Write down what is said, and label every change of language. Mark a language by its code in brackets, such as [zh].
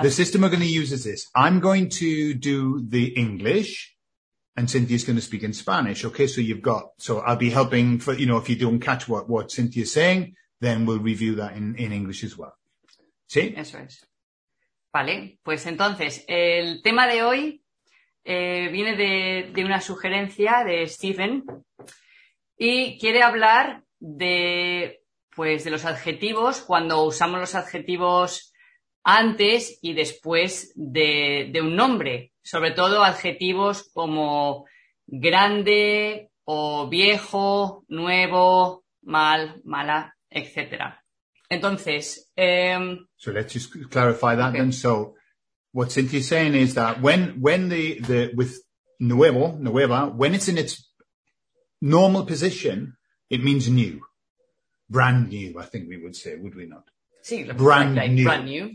[en] The system we're going to use is this. I'm going to do the English and Cynthia's going to speak in Spanish. Okay, so you've got... So I'll be helping, for you know, if you don't catch what Cynthia's saying, then we'll review that in English as well. [es] ¿Sí? Eso es. Vale, pues entonces, el tema de hoy viene de una sugerencia de Stephen y quiere hablar de... Pues de los adjetivos, cuando usamos los adjetivos antes y después de un nombre. Sobre todo adjetivos como grande o viejo, nuevo, mal, mala, etc. Entonces, [en] So let's just clarify that, okay, then. So what Cynthia's saying is that when the with nuevo, nueva, when it's in its normal position, it means new. Brand new, I think we would say, would we not? Sí, brand new.